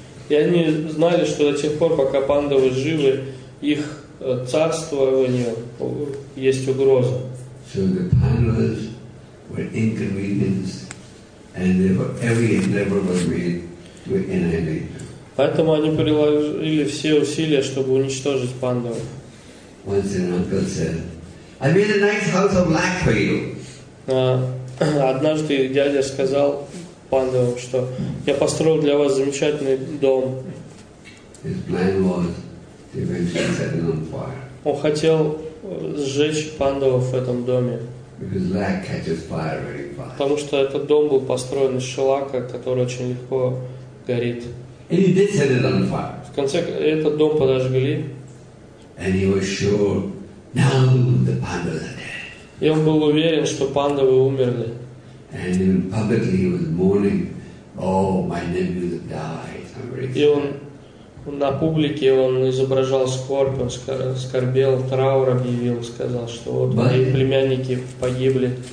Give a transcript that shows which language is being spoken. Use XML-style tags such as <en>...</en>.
<ru>И они знали, что до тех пор, пока пандавы живы, их царствованию есть угроза.</ru> <en>So the Pandavas were inconvenienced. And every endeavor was made to annihilate them.</en> <ru>Поэтому они приложили все усилия, чтобы уничтожить пандавов.</ru> <en>Once an uncle said, "I made a nice house of black for you."</en> <ru>Однажды дядя сказал пандавам, что я построил для вас замечательный дом.</ru> <en>His plan was to eventually set it on fire.</en> <ru>Он хотел сжечь пандавов в этом доме.</ru> <en>Because black catches fire very fast.</en> <ru>Потому что этот дом был построен из шеллака, который очень легко горит.</ru> <en>And he did set it on fire.</en> <ru>В конце этот дом подожгли.</ru> <en>And he was sure now the pandas are dead.</en> <ru>И он был уверен, что пандавы умерли.</ru> <en>And even publicly he was mourning, "Oh, my nephews have died."</en> <ru>И он на публике он изображал скорбь, он скорбел, траур объявил, сказал, что вот мои племянники погибли.</ru>